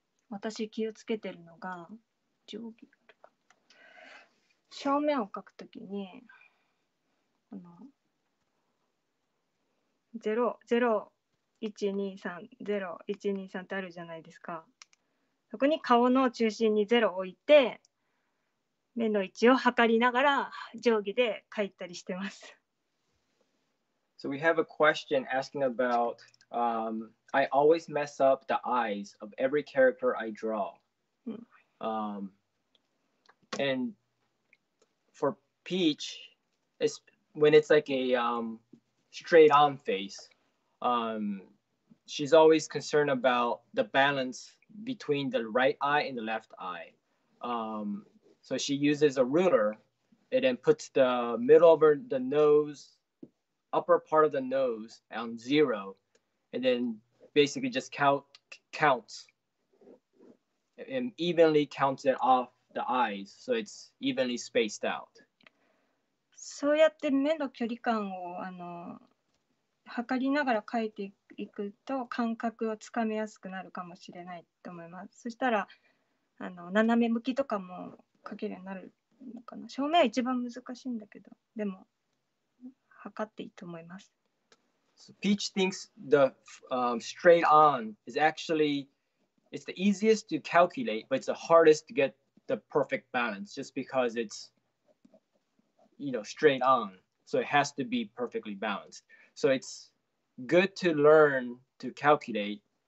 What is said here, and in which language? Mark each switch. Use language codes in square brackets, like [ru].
[ja] 私気をつけてるのが、定規があるか、正面を描くときに、この0123ってあるじゃないですか。そこに顔の中心に0を置いて、目の位置を測りながら定規で描いたりしてます。 [en] So we have a question asking about, I always mess up the eyes of every character I draw. And for Peach, it's when it's like a straight on face, she's always concerned about the balance between the right eye and the left eye. So she uses a ruler and then puts the middle of the nose upper part of the nose on zero, and then basically just counts and evenly counts it off the eyes, so it's evenly spaced out. [ja] そうやって目の距離感を測りながら描いていくと感覚をつかめやすくなるかもしれないと思います。そしたら斜め向きとかも描けるようになるのかな。正面は一番難しいんだけど、でも測っていいと思います。 [en] So Peach thinks the straight on is actually, it's the easiest to calculate, but it's the hardest to get the perfect balance just because it's, you know, straight on. So it has to be perfectly balanced. So it's good to learn to calculate.